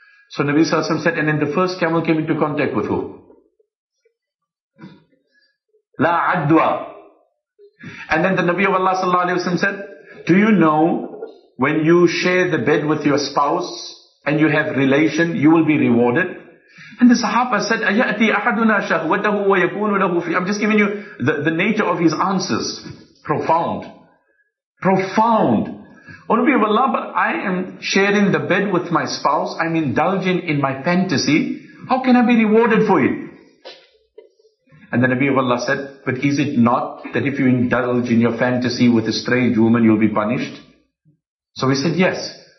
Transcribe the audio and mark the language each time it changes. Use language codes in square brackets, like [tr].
[en] So Nabi Sallallahu Alaihi Wasallam said, and then the first camel came into contact with who? [ar] La adwa. [en] And then the Nabi of Allah Sallallahu Alaihi Wasallam said, do you know when you share the bed with your spouse and you have relation, you will be rewarded? And the Sahaba said, [ar] أَيَأْتِي أَحَدُنَا شَهْوَتَهُ وَيَكُونُ لَهُ فِي. [en] I'm just giving you the nature of his answers. Profound. Profound. O Nabi of Allah, but I am sharing the bed with my spouse. I'm indulging in my fantasy. How can I be rewarded for it? And the Nabi of Allah said, but is it not that if you indulge in your fantasy with a strange woman, you'll be punished? So he said, yes.